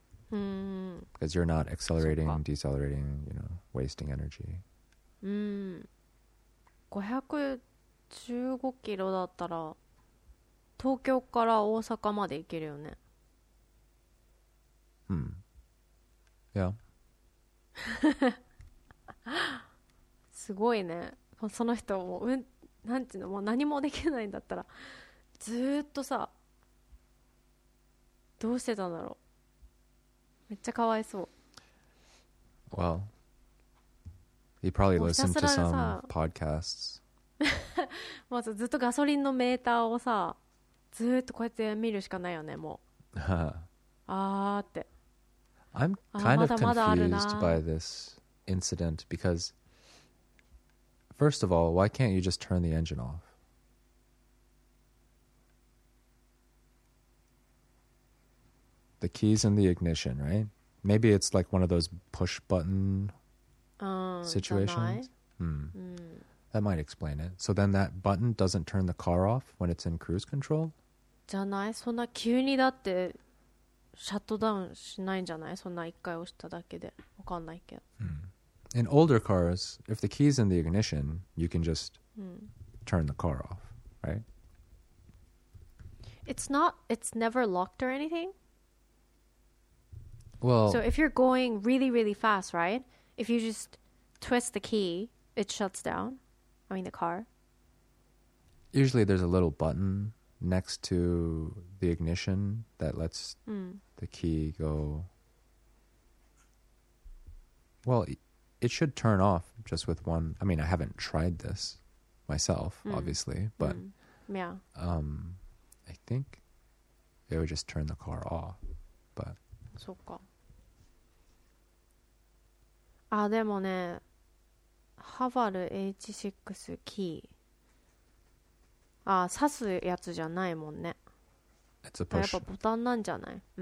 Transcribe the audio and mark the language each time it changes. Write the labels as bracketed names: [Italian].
[English] Because you're not accelerating, decelerating, you know, wasting energy. [Japanese] 515キロだったら東京から大阪まで行けるよね。すごいね。その人もう、なんていうの、もう何もできないんだったらずっとさ、どうしてたんだろう。めっちゃかわいそう。 [English] Well, he probably listened to some podcasts. [Japanese] まずずっとガソリンのメーターをさ、ずっとこうやって見るしかないよね、もう。あーって。 [English] I'm kind of confused by this incident because, first of all, why can't you just turn the engine off? The key's in the ignition, right? Maybe it's like one of those push button situations. That might explain it. So then that button doesn't turn the car off when it's in cruise control? [Japanese] じゃない、そんな急にだってシャットダウンしないんじゃない、そんな一回押しただけで。わかんないけど、 [English] In older cars, if the key's in the ignition, you can just turn the car off, right? It's never locked or anything? Well, so if you're going really, really fast, right? If you just twist the key, it shuts down? I mean the car? Usually there's a little buttonnext to the ignition that lets the key go. Well, it should turn off just with one. I mean, I haven't tried this myself, obviously, but I think it would just turn the car off. But [Japanese] そっか。あ、でもね、ハバル H6 キー、ああ刺すやつじゃないもんね。 [English] It's a push. [Japanese] やっぱボタンなんじゃない、